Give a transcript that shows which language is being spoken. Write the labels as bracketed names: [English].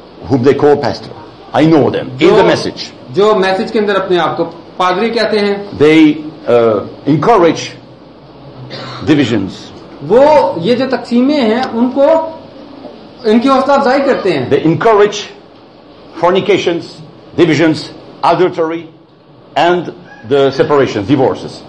[English] whom they call pastor, I know them in the message, [Hindi] जो message के अंदर अपने आप को पादरी कहते हैं, [English] they encourage divisions, [Hindi] वो ये जो तकसीमें हैं उनको इनकी हौसला अफजाई करते हैं। [English] They encourage fornications, divisions, adultery and the separations, divorces,